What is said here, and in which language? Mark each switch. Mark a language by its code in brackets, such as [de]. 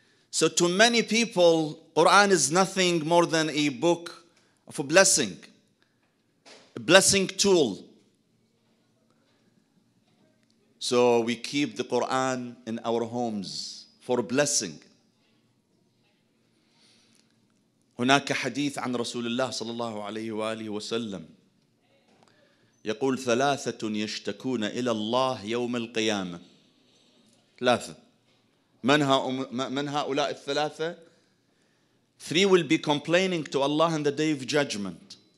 [en] So to many people, Qur'an is nothing more than a book of a blessing tool. So we keep the Qur'an in our homes for blessing. [ar] هناك حديث عن رسول الله صلى الله عليه وآله وسلم يقول ثلاثة يشتكون إلى الله يوم القيامة. ثلاثة. من هؤلاء الثلاثة؟ [en] Three will be complaining to Allah in the day of judgment.